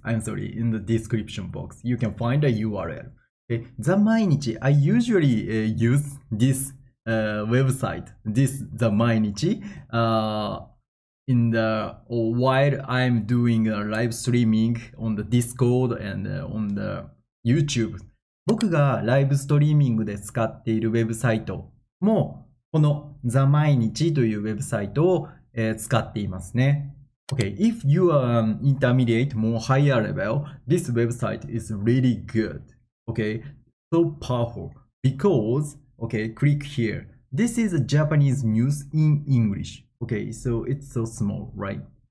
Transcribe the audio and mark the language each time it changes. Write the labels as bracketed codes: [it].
[en] I'm sorry, in the description box. You can find a URL. Okay, the 毎日, I usually use this website, this the 毎日, while I'm doing live streaming on the Discord and on the [ja] YouTube、僕がライブストリーミングで使っているウェブサイトもこのザ毎日というウェブサイトを使っていますね。 [en] Okay, if you are an intermediate, more higher level, this website is really good. Okay, so powerful. Because, okay, click here. This is a Japanese news in English. Okay, so it's so small, right?